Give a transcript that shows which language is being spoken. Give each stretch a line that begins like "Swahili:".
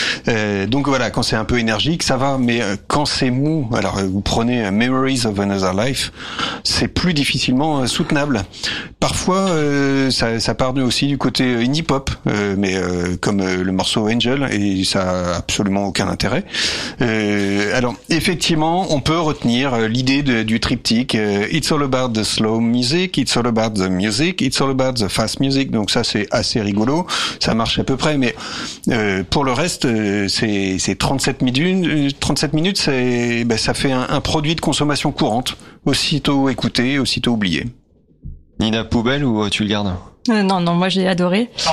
French: Donc voilà, quand c'est un peu énergique, ça va. Mais quand c'est mou, alors vous prenez Memories of Another Life, c'est plus difficilement soutenable. Parfois, ça part aussi du côté indie pop, mais comme le morceau Angel, et ça a absolument aucun intérêt. Alors, effectivement, on peut retenir l'idée du triptyque
English: It's all about the slow music, it's all about the music, it's all about the fast music.
French: Donc ça, c'est assez rigolo, ça marche à peu près, mais pour le reste, c'est 37 minutes, ça fait un produit de consommation courante, aussitôt écouté, aussitôt oublié. Nina, poubelle ou tu le gardes? Non, moi j'ai adoré.